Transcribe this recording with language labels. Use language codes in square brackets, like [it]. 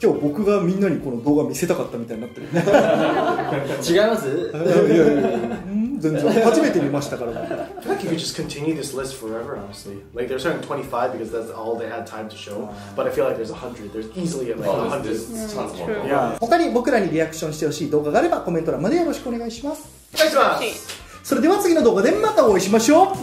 [ja] 今日僕がみんなにこの動画見せたかったみたいになってる。違います。いや全然初めて見ましたから。 [en] I feel like you could just continue this list forever, honestly. Like, there's certain 25 because that's all they had time to show. But I feel like there's 100. There's easily like 100. Yeah. [ja] 他に僕らにリアクションしてほしい動画があればコメント欄までよろしくお願いします。お願いします。それでは次の動画でまたお会いしましょう。